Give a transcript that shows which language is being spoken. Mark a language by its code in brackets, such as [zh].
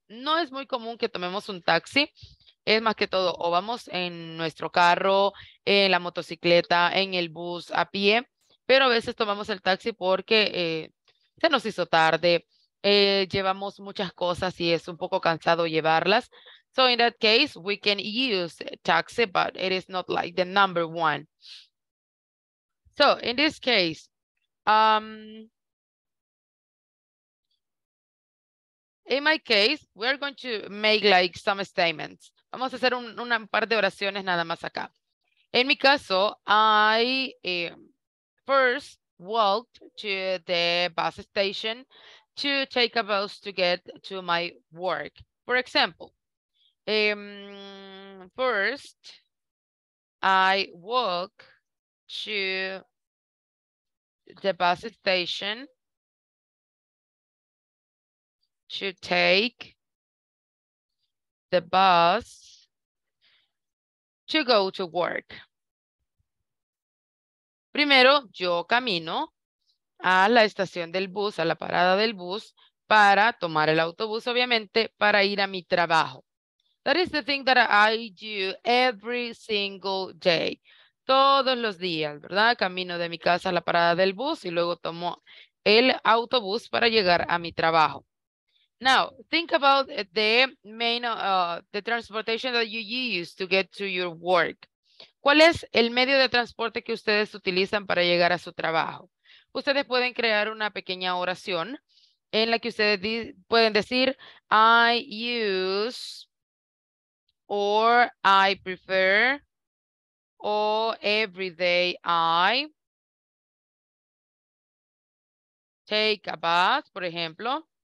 [es] No es muy común que tomemos un taxi. Es más que todo, o vamos en nuestro carro, en la motocicleta, en el bus, a pie. Pero a veces tomamos el taxi porque se nos hizo tarde. Llevamos muchas cosas y es un poco cansado llevarlas. [en] So in that case, we can use taxi, but it is not like the number one. So in this case, in my case, we are going to make like some statements. [es] Vamos a hacer un par de oraciones nada más acá. En mi caso, [en] I first walked to the bus station to take a bus to get to my work. For example, first, I walk to the bus station to take the bus to go to work. [es] Primero, yo camino a la estación del bus, a la parada del bus, para tomar el autobús, obviamente, para ir a mi trabajo. [en] That is the thing that I do every single day. [es] Todos los días, ¿verdad? Camino de mi casa a la parada del bus y luego tomo el autobús para llegar a mi trabajo. [en] Now, think about the main, the transportation that you use to get to your work. [es] ¿Cuál es el medio de transporte que ustedes utilizan para llegar a su trabajo? Ustedes pueden crear una pequeña oración en la que ustedes pueden decir, [en] I use, or I prefer, or every day I take a bus, [es] por ejemplo.